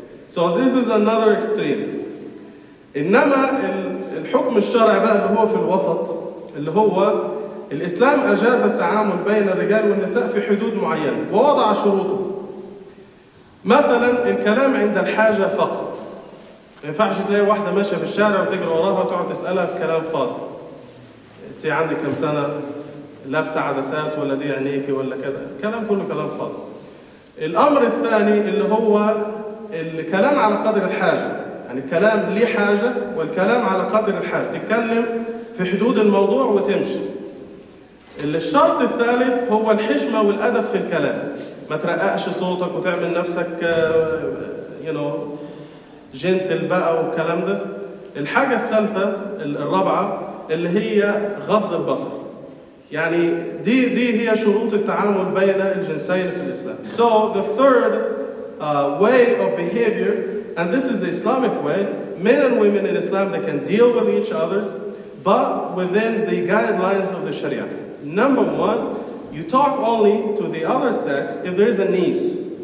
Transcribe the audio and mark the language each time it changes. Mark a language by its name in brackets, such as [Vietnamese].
[English] So this is another extreme. [Arabic] إنما الحكم الشرعي بقى اللي هو في الوسط اللي هو الإسلام أجاز التعامل بين الرجال والنساء في حدود معينة ووضع شروطه. مثلا الكلام عند الحاجة فقط. ما ينفعش تلاقي واحدة ماشية في الشارع وتجري وراها وتقعد تسألها في كلام فاضي. أنت عندك كم سنة؟ لابسة عدسات ولا دي عينيكي ولا كذا؟ الكلام كله كلام فاضي. الأمر الثاني اللي هو الكلام على قدر الحاجة. يعني الكلام ليه حاجة والكلام على قدر الحاجة. تتكلم في حدود الموضوع وتمشي. الشرط الثالث هو الحشمة والأدب في الكلام. ما ترققش صوتك وتعمل نفسك [English] you know [Arabic] جنتل بقى والكلام ده. الحاجة الثالثة الرابعة اللي هي غض البصر. يعني دي هي شروط التعامل بين الجنسين في الإسلام. [English] So the third way of behavior, and this is the Islamic way, men and women in Islam, they can deal with each other, but within the guidelines of the Sharia. Number one, you talk only to the other sex if there is a need.